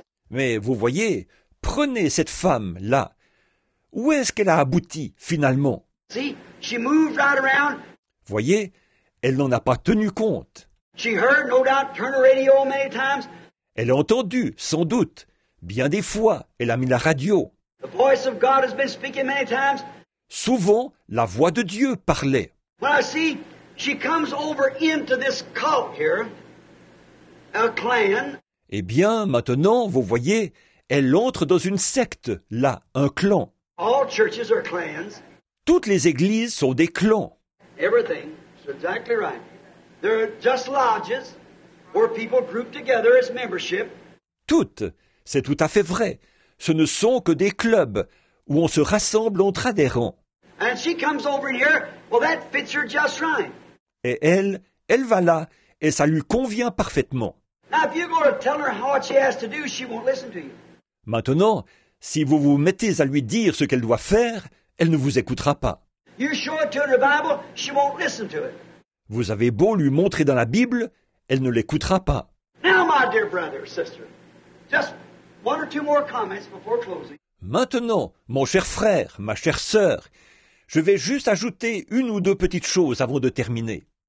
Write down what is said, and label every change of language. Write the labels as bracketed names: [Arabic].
[French] Mais vous voyez, prenez cette femme-là. Où est-ce qu'elle a abouti, finalement? [English] See, she moved right around. [French] Voyez, elle n'en a pas tenu compte. [English] She heard, no doubt, turn the radio many times. [French] Elle a entendu, sans doute, bien des fois, elle a mis la radio. [English] The voice of God has been speaking many times. [French] Souvent, la voix de Dieu parlait. [English] Well, see, she comes over into this cult here, a clan. [French] Eh bien, maintenant, vous voyez, elle entre dans une secte, là, un clan. [English] All churches are clans. [French] Toutes les églises sont des clans. [English] Everything is exactly right. They're just lodges where people group together as membership. [French] Toutes, c'est tout à fait vrai. Ce ne sont que des clubs où on se rassemble entre adhérents. [English] And she comes over here, well that fits her just right. [French] Et elle va là et ça lui convient parfaitement. [English] Now if you go to tell her what she has to do, she won't listen to you. [French] Maintenant, si vous vous mettez à lui dire ce qu'elle doit faire, elle ne vous écoutera pas. [English] You show it to her in the Bible, she won't listen to it. [French] Vous avez beau lui montrer dans la Bible, elle ne l'écoutera pas. [English] Now, my dear brother, sister, just one or two more comments before closing. [French] Maintenant, mon cher frère, ma chère sœur, Je vais juste ajouter une ou deux petites choses avant de terminer.